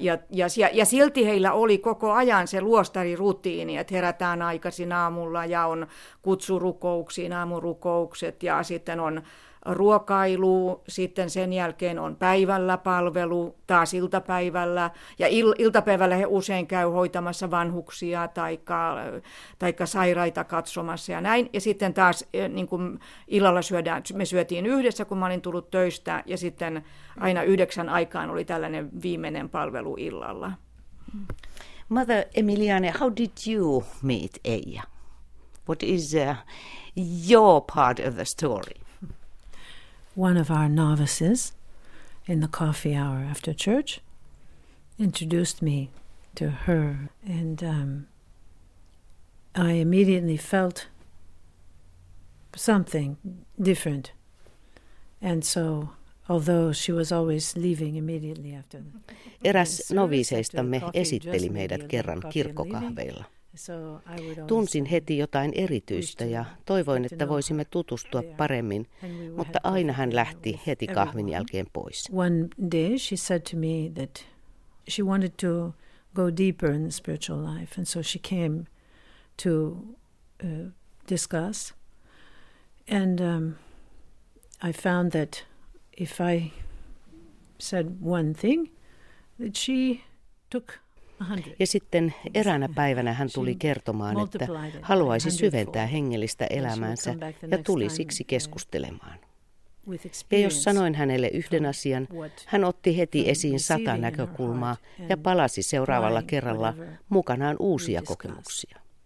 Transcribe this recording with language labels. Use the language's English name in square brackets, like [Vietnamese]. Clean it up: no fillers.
[Finnish] Ja silti heillä oli koko ajan se luostarirutiini, että herätään aikaisin aamulla ja on kutsurukouksiin, aamurukoukset ja sitten on ruokailu, sitten sen jälkeen on päivällä palvelu, taas iltapäivällä, ja iltapäivällä he usein käy hoitamassa vanhuksia tai sairaita katsomassa ja näin, ja sitten taas niin kuin illalla syödään, me syötiin yhdessä, kun mä olin tullut töistä, ja sitten aina 9 aikaan oli tällainen viimeinen palvelu illalla. [English] Mother Emiliane, how did you meet Eija? What is your part of the story? One of our novices in the coffee hour after church introduced me to her, and I immediately felt something different. And so, although she was always leaving immediately after the [Finnish] Eras noviseistamme esitteli meidät kerran kirkkokahveilla. Tunsin heti jotain erityistä ja toivoin, että voisimme tutustua paremmin, mutta aina hän lähti heti kahvin jälkeen pois. [English] One day she said to me that she wanted to go deeper in the spiritual life, and so she came to discuss. And I found that if I said one thing, that she took. [Finnish] Ja sitten eräänä päivänä hän tuli kertomaan, että haluaisi syventää hengellistä elämäänsä ja tuli siksi keskustelemaan. Ja jos sanoin hänelle yhden asian, hän otti heti esiin 100 näkökulmaa ja palasi seuraavalla kerralla mukanaan uusia kokemuksia.